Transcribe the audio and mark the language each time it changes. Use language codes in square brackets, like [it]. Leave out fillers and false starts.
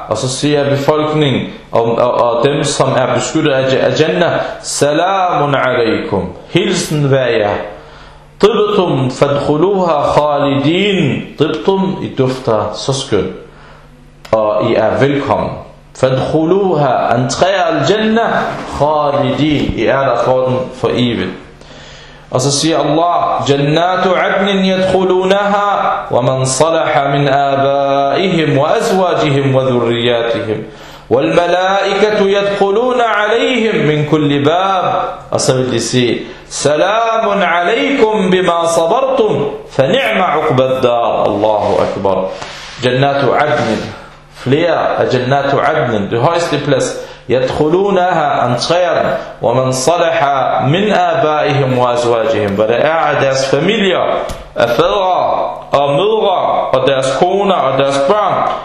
[da] Og så siger befolkningen, og dem, som er beskyttet af jannah, [ar] سَلَامٌ عَلَيْكُمْ, [da] hilsen vær jer. [ar] طِبْتُمْ فَدْخُلُوهَا خَالِدِينَ. [da] طِبْتُمْ, I dufter så skønt, og I er velkommen. فَدْخُلُوهَا, entrer al-jannah, خَالِدِينَ, I er der for den for evigt. Og så siger Allah, [ar] جَنَّاتُ عَدْنٍ يَدْخُلُونَهَا وَمَنْ صَلَحَ مِنْ آبَائِهِمْ وَأَزْوَاجِهِمْ وَذُرِّيَّاتِهِمْ وَالْمَلَائِكَةُ يَدْخُلُونَ عَلَيْهِمْ مِنْ كُلِّ بَابٍ. [da] Og så vil de sige, [ar] سَلَامٌ عَلَيْكُمْ بِمَا صَبَرْتُمْ فَنِعْمَ عُقْبَ الدَّارِ. Allahu Akbar. جَنَّاتُ عَدْنٍ, [da] flere af [ar] جَنَّاتُ عَدْنٍ, [en] the highest place. [ar] يَدْخُلُونَهَا أَنْتْخَيَرًا وَمَنْ صَلَحَ مِنْ آبَائِهِمْ وَأَزْوَاجِهِمْ. [da] Hvor der er deres familier, af fædre og mødre, og deres koner og deres børn.